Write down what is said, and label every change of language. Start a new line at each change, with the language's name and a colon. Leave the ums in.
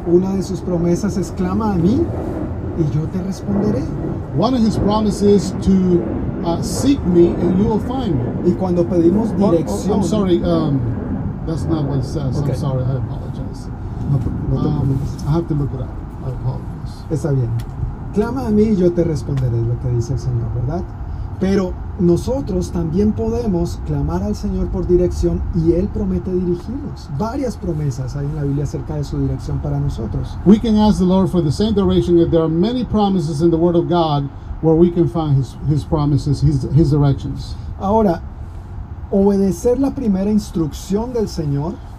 Spanish: Una de sus promesas es clama a mí y yo te responderé.
English: One of his promises is to uh, seek me and you will find me.
Spanish: Y cuando pedimos dirección...
English: Oh, oh, I'm sorry, um, that's not what it says. Okay. I'm sorry, I apologize. Um, I have to look it up. I apologize.
Spanish: Está bien. clama a mí y yo te responderé, lo que dice el Señor, ¿verdad? Pero nosotros también podemos clamar al Señor por dirección y Él promete dirigirnos. Varias promesas hay en la Biblia acerca de su dirección para nosotros.
English: We can ask the Lord for the same direction there are many promises in the Word of God where we can find His, his promises, his, his, directions.
Spanish: Ahora, obedecer la primera instrucción del Señor.